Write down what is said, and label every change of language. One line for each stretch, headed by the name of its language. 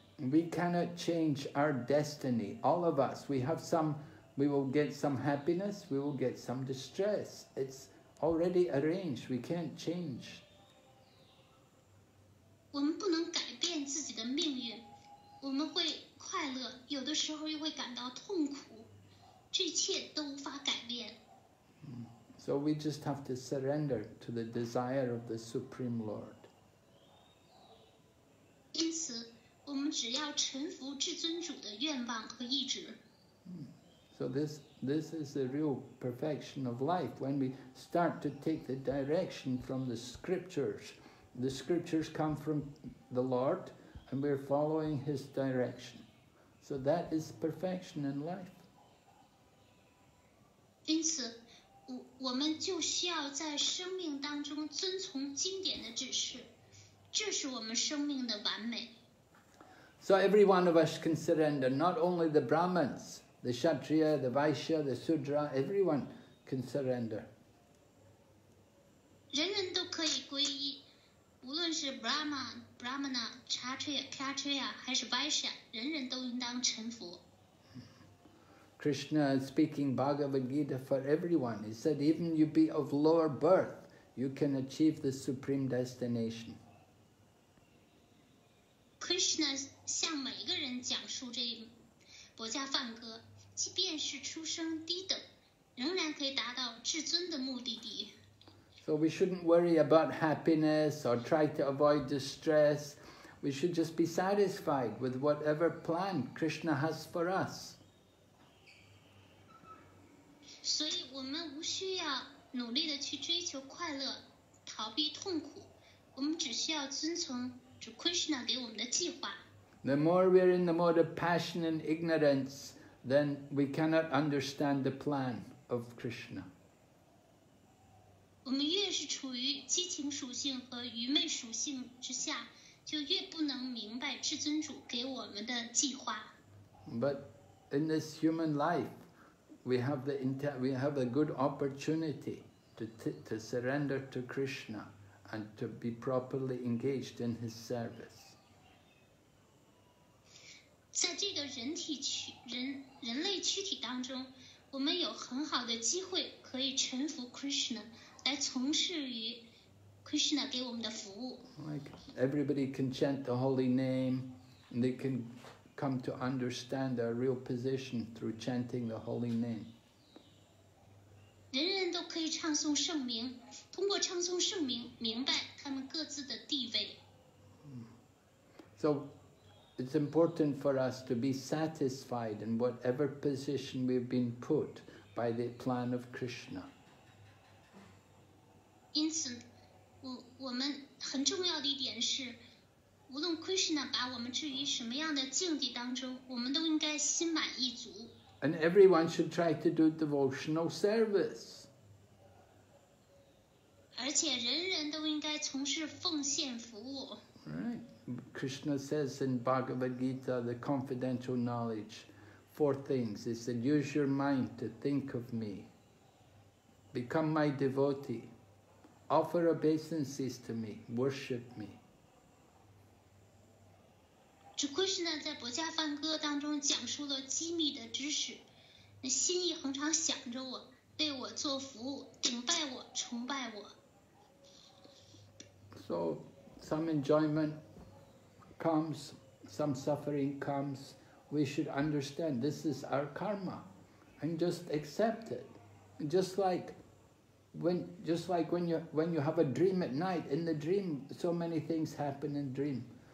English: We cannot change our destiny. All of us, we will get some happiness, we will get some distress. It's already arranged. We can't change.
Chinese: 我们不能改变自己的命运，我们会快乐，有的时候又会感到痛苦。这一切都无法改变。
English: So we just have to surrender to the desire of the Supreme Lord.
Chinese: 因此，我们只要臣服至尊主的愿望和意志。
English: So this is the real perfection of life. When we start to take the direction from the scriptures come from the Lord, and we're following His direction. So that is perfection in life.
Chinese: 因此，我们就需要在生命当中遵从经典的指示，这是我们生命的完美。
English: So every one of us can surrender, not only the Brahmins, the Kshatriya, the Vaishya, the Sudra, everyone can surrender.
Chinese: 人人都可以皈依，无论是 Brahmana, Kshatriya, 还是 Vaishya, 人人都应当臣服。
English: Krishna is speaking Bhagavad Gita for everyone. He said, even you be of lower birth, you can achieve the supreme destination.
Chinese: Krishna 向每个人讲述这一薄伽梵歌，即便是出生低等，仍然可以达到至尊的目的地。
English: So we shouldn't worry about happiness or try to avoid distress. We should just be satisfied with whatever plan Krishna has for us.
Chinese: 我们无需要努力的去追求快乐，逃避痛苦，我们只需要遵从主 Krishna 给我们的计划。
English: The more we're in the mode of passion and ignorance, then we cannot understand the plan of Krishna.
Chinese: 我们越是处于激情属性和愚昧属性之下，就越不能明白至尊主给我们的计划。
English: But in this human life, we have a good opportunity to surrender to Krishna and to be properly engaged in His service.
Chinese: 在这个人类躯体当中，我们有很好的机会可以臣服 Krishna， 来从事于 Krishna 给我们的服务。
English: Like everybody can chant the holy name, and they can come to understand their real position through chanting the holy name.
Chinese: 人人都可以唱诵圣名，通过唱诵圣名明白他们各自的地位。
English: So. It's important for us to be satisfied in whatever position we've been put by the plan of Krishna.
Chinese: 因此，我们很重要的一点是，无论 Krishna 把我们置于什么样的境地当中，我们都应该心满意足。
English: And everyone should try to do devotional service.
Chinese: 而且人人都应该从事奉献服务。
English: Right. Krishna says in Bhagavad Gita, the confidential knowledge, four things. He said, use your mind to think of me, become my devotee, offer obeisances to me, worship me.
Chinese: Krishna 在薄伽梵歌当中讲述了机密的知识，心意恒常想着我，为我做服务，顶拜我，崇拜我。
English: So, some enjoyment. Comes, some suffering comes, we should understand this is our karma and just accept it. Just like when you have a dream at night, in the dream, so many things happen in dream.